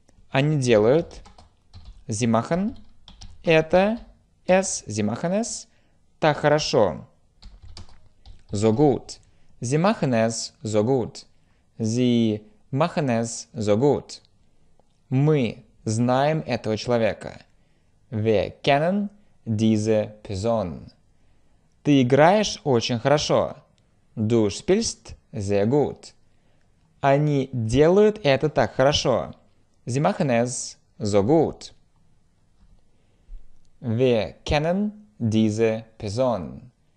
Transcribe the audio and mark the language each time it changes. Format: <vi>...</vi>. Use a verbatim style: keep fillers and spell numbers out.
<ru>Они делают.</ru> <de>Sie machen.</de> <ru>Это.</ru> <de>Es. Sie machen es.</de> <ru>Так хорошо.</ru> <de>So gut. Sie machen es so gut. Sie machen es so gut.</de> <ru>Мы знаем этого человека.</ru> <de>Wir kennen diese Person.</de> <ru>Ты играешь очень хорошо.</ru> <de>Du spielst sehr gut.</de> <ru>Они делают это так хорошо.</ru> <de>Sie machen es so gut. Wir kennen diese Person.</de>